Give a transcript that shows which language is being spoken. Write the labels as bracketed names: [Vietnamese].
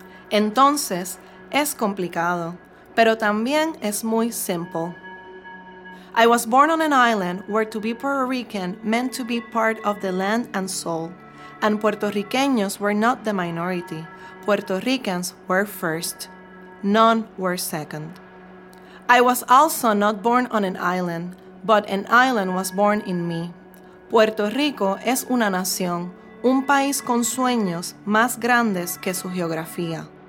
[Spanish] Entonces, es complicado, pero también es muy simple. [English] I was born on an island where to be Puerto Rican meant to be part of the land and soul. And Puerto Ricanos were not the minority. Puerto Ricans were first. None were second. I was also not born on an island, but an island was born in me. [Spanish] Puerto Rico es una nación, un país con sueños más grandes que su geografía.